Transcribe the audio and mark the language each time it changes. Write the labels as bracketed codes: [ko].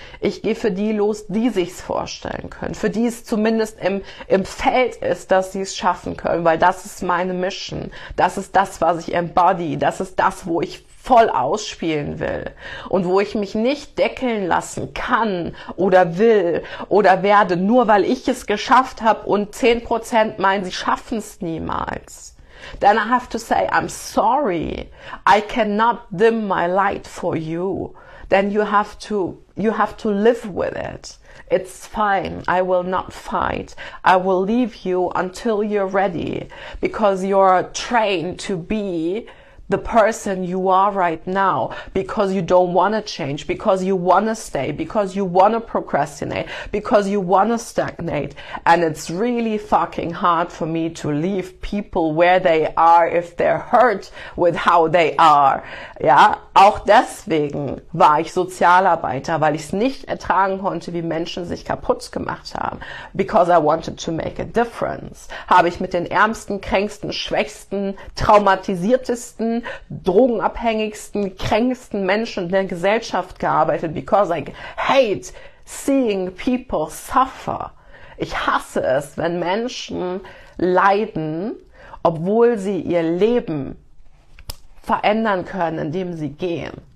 [de] Ich gehe für die los, die sich's vorstellen können, für die es zumindest im Feld ist, dass sie es schaffen können, weil das ist meine Mission, das ist das, was ich embody, das ist das, wo ich voll ausspielen will und wo ich mich nicht deckeln lassen kann oder will oder werde, nur weil ich es geschafft habe und 10% meinen, sie schaffen es niemals. [en] Then I have to say, I'm sorry, I cannot dim my light for you. Then you have to live with it. It's fine, I will not fight. I will leave you until you're ready, because you're trained to be the person you are right now, because you don't want to change, because you want to stay, because you want to procrastinate, because you want to stagnate. And it's really fucking hard for me to leave people where they are if they're hurt with how they are. [de] Ja, auch deswegen war ich Sozialarbeiter, weil ich es nicht ertragen konnte, wie Menschen sich kaputt gemacht haben. [en] Because I wanted to make a difference. [de] Habe ich mit den ärmsten, kränksten, schwächsten, traumatisiertesten, drogenabhängigsten, kränksten Menschen in der Gesellschaft gearbeitet, [en] because I hate seeing people suffer. [de] Ich hasse es, wenn Menschen leiden, obwohl sie ihr Leben verändern können, indem sie gehen.